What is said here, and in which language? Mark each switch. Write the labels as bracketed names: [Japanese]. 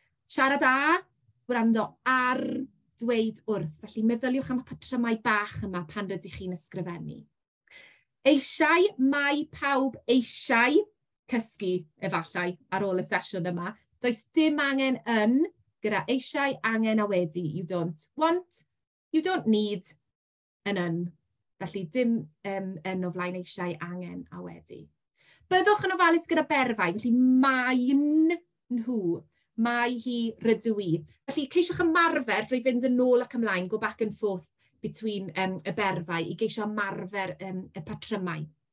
[Welsh] Siarad a, gwrando ar dweud wrth. Felly meddyliwch am y patrymau bach yma pan rydych chi'n ysgrifennu. Eisiau, mae pawb eisiau cysgu efallai ar ôl y sesiwn yma. Does dim angen yn gyda eisiau, angen a wedi. [English] You don't want, you don't need an yn. [Welsh] Felly dim yn o flaen eisiau, angen a wedi. Byddwch yn ofalus gyda berfau. Felly mae'n nhw, mae hi rydw i. Felly ceisiwch ymarfer drwy fynd yn ôl ac ymlaen, go back and forth between y berfau i geisio ymarfer y patrymau.